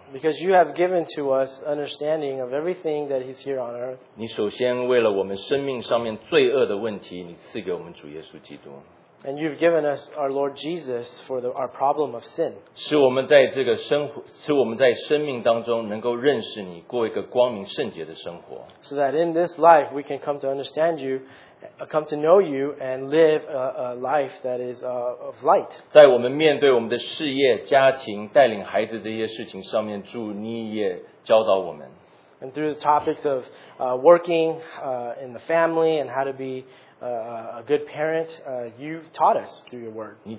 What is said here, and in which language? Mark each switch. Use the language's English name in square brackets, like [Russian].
[English] Because you have given to us understanding of everything that is here on earth. [Chinese] 你首先为了我们生命上面罪恶的问题，你赐给我们主耶稣基督。 [English] And you've given us our Lord Jesus for our problem of sin. [Chinese] 使我们在生命当中能够认识你，过一个光明圣洁的生活。 [English] So that in this life we can come to understand you, come to know you, and live a life that is of light. [Chinese] 在我们面对我们的事业、家庭、带领孩子这些事情上面，主你也教导我们。 [English] And through the topics of working in the family and how to be a good parent, you've taught us through your word.